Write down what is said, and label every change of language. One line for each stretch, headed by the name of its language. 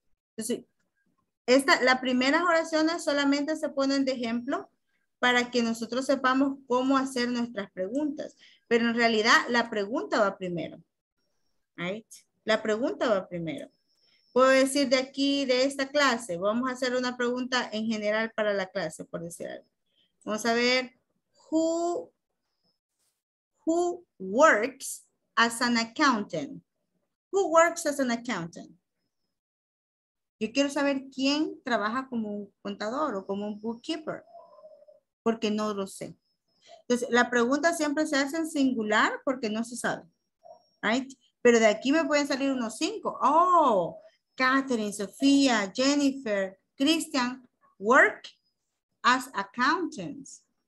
Spanish: Entonces, esta, las primeras oraciones solamente se ponen de ejemplo para que nosotros sepamos cómo hacer nuestras preguntas. Pero en realidad, la pregunta va primero. Right? La pregunta va primero. Puedo decir de aquí, de esta clase, vamos a hacer una pregunta en general para la clase, por decir algo. Vamos a ver,
English: who works as an accountant? Who works as an accountant?
Spanish: Yo quiero saber quién trabaja como un contador o como un bookkeeper, porque no lo sé. Entonces, la pregunta siempre se hace en singular porque no se sabe, right? Pero de aquí me pueden salir unos cinco. Oh, Catherine, Sofía, Jennifer, Christian,
English: work as accountants.